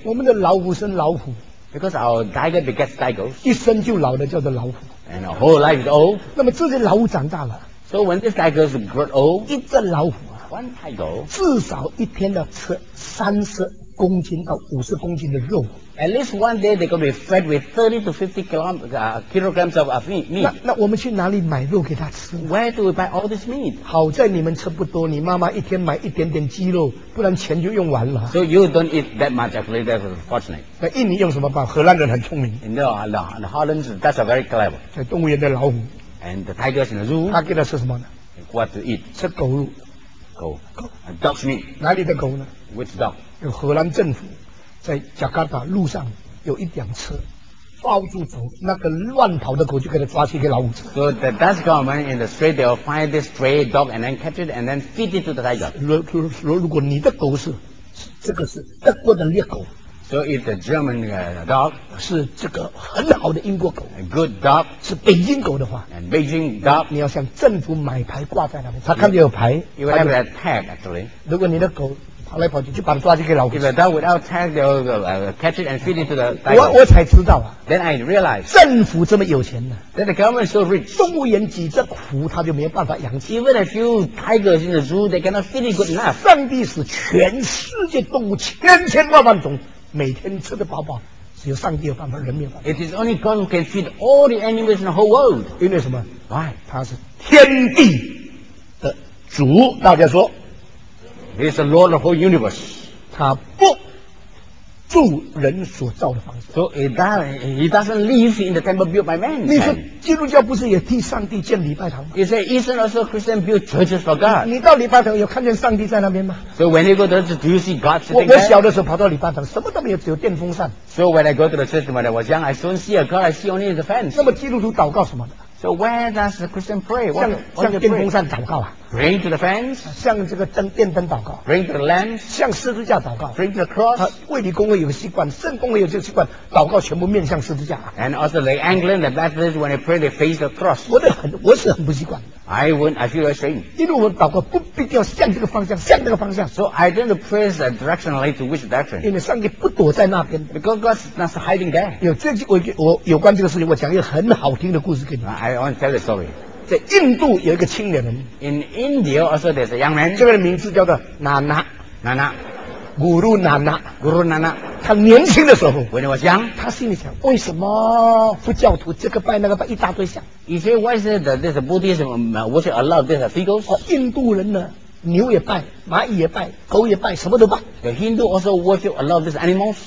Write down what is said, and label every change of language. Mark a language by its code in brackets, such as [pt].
[zh] 我们的老虎生老虎。 [en] Because our tiger begets tigers. [zh] 一生就老的叫做老虎。 [en] And our whole life is old. [zh] 那么这些老虎长大了。 [en] So when this tiger is grown old, [zh] 一只老虎啊 [en] ，one tiger [zh] 至少一天要吃30公斤到50公斤的肉。 [en] At least one day they could be fed with 30 to 50 kilograms of meat. [zh] 那我们去哪里买肉给他吃 [en] ？Where do we buy all this meat? [zh] 好在你们吃不多，你妈妈一天买一点点鸡肉，不然钱就用完了。 [en] So you don't eat that much. Actually, that's fortunate. [zh] 那印尼用什么办？荷兰人很聪明。 [en] No, the Hollands that's a very clever. [zh] 在动物园的老虎。 [en] And the tigers in the zoo. [zh] 他给他吃什么呢 [en] ？What to eat? [zh] 吃狗肉。 [en] 狗。Dog's meat. [zh] 哪里的狗呢 [en] ？Which dog? [zh] 有荷兰政府在加加达路上有一辆车，抓住走那个乱跑的狗就给他抓去给老虎吃。 [en] So the Dutch government in the street they will find this stray dog and then catch it and then feed it to the tiger. [zh] 如果你的狗是这个是德国的猎狗。 [en] So if the German dog [zh] 是这个很好的英国狗 [en] ，a good dog [zh] 是北京狗的话 [en] ，and Beijing dog [zh] 你要向政府买牌挂在那边，他看到有牌 [en] ，you will have a tag actually。 [zh] 如果你的狗跑来跑去，就把它抓去给老虎。 [en] If the dog without tag, they will catch it and feed it to the tiger. [zh] 我才知道啊 [en] ，then I realize [zh] 政府这么有钱呢 [en] ，then the government is so rich。 [zh] 动物园几只虎他就没有办法养起 [en] ，even a few tigers in the zoo they cannot feed it good enough。 [zh] 上帝是全世界动物千千万万种。每天吃得饱饱，只有上帝有办法，人没有办法。 [en] It is only God who can feed all the animals in the whole world. [zh] 因为什么 [en] ？Why? [zh] 他是天地的主。大家说 [en] ，He is the Lord of the whole universe. [zh] 他不住人所造的房子。 [en] So he doesn't live in the temple built by man. [zh] 你说基督教不是也替上帝建礼拜堂吗 [en] ？You say isn't also Christian build churches for God? [zh] 你到礼拜堂有看见上帝在那边吗 [en] ？So when you go to church, do you see God sitting there? [zh] 我小的时候跑到礼拜堂，什么都没有，只有电风扇。 [en] So when I go to the church when I was young, I don't see a God, I see only the fans. [zh] 那么基督徒祷告什么的 [en] ？So where does the Christian pray? [zh] 像电风扇祷告啊。 [en] Bring to the fans， [zh] 向这个灯电灯祷告。 [en] Bring to the lamps， [zh] 向十字架祷告。 [en] Bring to the cross， [zh] 他卫理公会有个习惯，圣公会有这个习惯，祷告全部面向十字架。 [en] And also the Anglican and the Baptist when they pray they face the cross， [zh] 我是很不习惯的。 [en] I feel ashamed， [zh] 因为我祷告不必要向这个方向，向这个方向。 [en] So I don't pray the directionally to which direction， [zh] 因为上帝不躲在那边。 [en] Because God's not hiding there。 [zh] 有这句我有关这个事情，我讲一个很好听的故事给你。 [en] I want to tell the story。 [zh] 在印度有一个青年人 [en] ，In India also there's a young man。 [zh] 这个人名字叫做Nana。 [en] Nana， Guru Nana， Guru Nana。 [zh] 他年轻的时候 [en] ，When he was young， [zh] 他心里想，为什么佛教徒这个拜那个拜一大堆像 [en] ？He said why is it that this Buddhism worship a lot of these figures？ [zh] 哦，印度人呢，牛也拜，蚂蚁也拜，狗也拜，什么都拜。 [en] The Hindu also worship a lot of these animals。